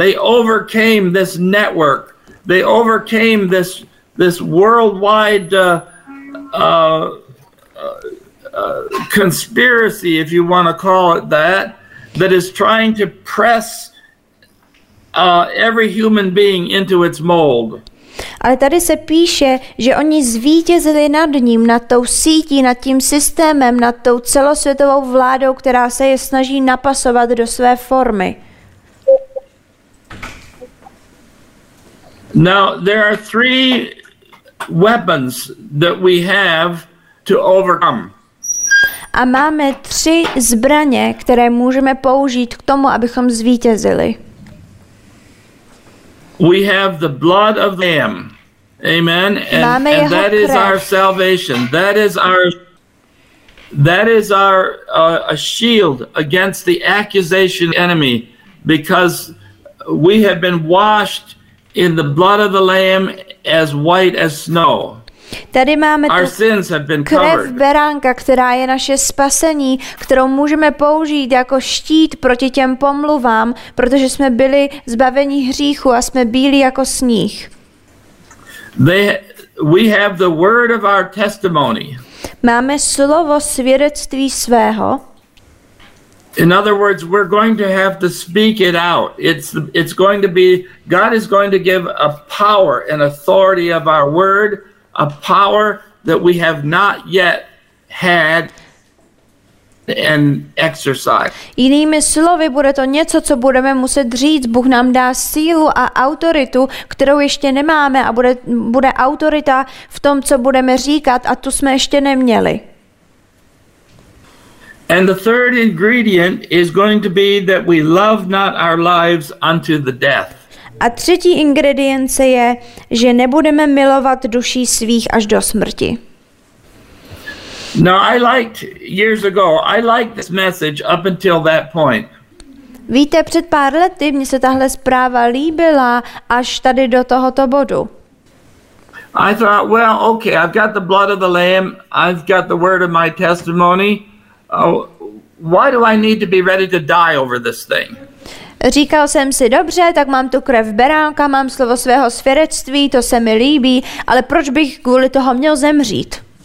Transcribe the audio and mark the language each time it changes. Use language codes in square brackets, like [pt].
[en] They overcame this network. They overcame this worldwide conspiracy, if you want to call it that, that is trying to press every human being into its mold. [cs] Ale tady se píše, že oni zvítězili nad ním, nad tou sítí, nad tím systémem, nad tou celosvětovou vládou, která se je snaží napasovat do své formy. [en] Now there are three weapons that we have to overcome. [cs] A máme tři zbraně, které můžeme použít k tomu, abychom zvítězili. [en] We have the blood of the Lamb. Amen. And that Is our salvation. That is our shield against the accusation of the enemy, because we have been washed in the blood of the Lamb as white as snow. [cs] Tady máme [en] our sins have been [cs] krev [en] covered. [cs] Beránka, která je naše spasení, kterou můžeme použít jako štít proti těm pomluvám, protože jsme byli zbaveni hříchu a jsme bílí jako sníh. [en] We have the word of our testimony. [cs] Máme slovo svědectví svého. [en] In other words, we're going to have to speak it out. It's going to be, God is going to give a power and authority of our word, a power that we have not yet had and exercised. [cs] Jinými slovy, bude to něco, co budeme muset říct. Bůh nám dá sílu a autoritu, kterou ještě nemáme, a bude autorita v tom, co budeme říkat, a tu jsme ještě neměli. [en] And the third ingredient is going to be that we love not our lives unto the death. [cs] A třetí ingredience je, že nebudeme milovat duší svých až do smrti. [en] Now I liked years ago. I liked this message up until that point. [cs] Víte, před pár lety mi se tahle zpráva líbila až tady do tohoto bodu. [en] I thought, well, okay, I've got the blood of the Lamb. I've got the word of my testimony. Why do I need to be ready to die over this thing? [cs] Říkal jsem si, dobře, tak mám tu krev beránka, mám slovo svého svědectví, to se mi líbí, ale proč bych kvůli toho měl zemřít?